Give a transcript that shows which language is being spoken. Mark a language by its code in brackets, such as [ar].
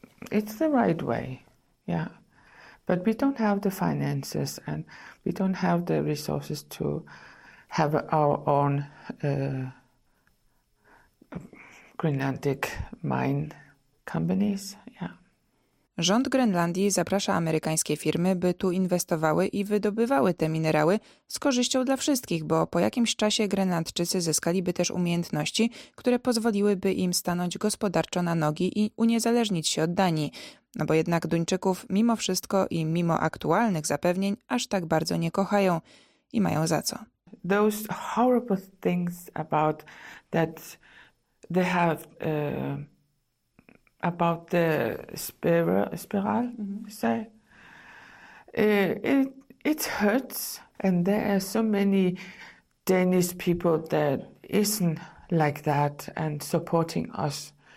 [en] It's the right way, yeah. But we don't have the finances and we don't have the resources to have our own Greenlandic mine companies, yeah. [pl] Rząd Grenlandii zaprasza amerykańskie firmy, by tu inwestowały i wydobywały te minerały z korzyścią dla wszystkich, bo po jakimś czasie Grenlandczycy zyskaliby też umiejętności, które pozwoliłyby im stanąć gospodarczo na nogi i uniezależnić się od Danii. No bo jednak Duńczyków mimo wszystko i mimo aktualnych zapewnień aż tak bardzo nie kochają i mają za co. [en] Those horrible things about that they have about the spiral, say, it hurts, and there are so many Danish people that isn't like that and supporting us.